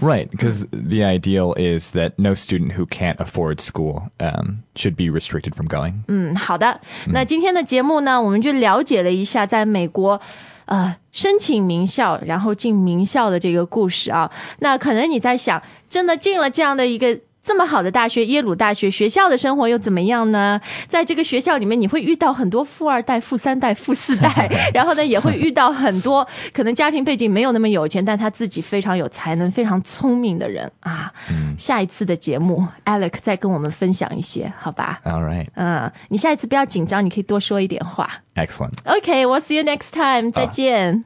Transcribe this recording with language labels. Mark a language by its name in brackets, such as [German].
[English] Right, because the ideal is that no student who can't afford school should be restricted from going. [Chinese] 嗯，好的。那今天的节目呢，我们就了解了一下在美国申请名校然后进名校的这个故事啊。那可能你在想，真的进了这样的一个这么好的大学，耶鲁大学，学校的生活又怎么样呢？在这个学校里面，你会遇到很多富二代、富三代、富四代，然后呢，也会遇到很多可能家庭背景没有那么有钱，但他自己非常有才能、非常聪明的人啊。下一次的节目 ，Alec 再跟我们分享一些，好吧 [English] ？All right. [Chinese] 嗯，你下一次不要紧张，你可以多说一点话。 [English] Excellent. Okay, we'll see you next time. [Chinese] 再见。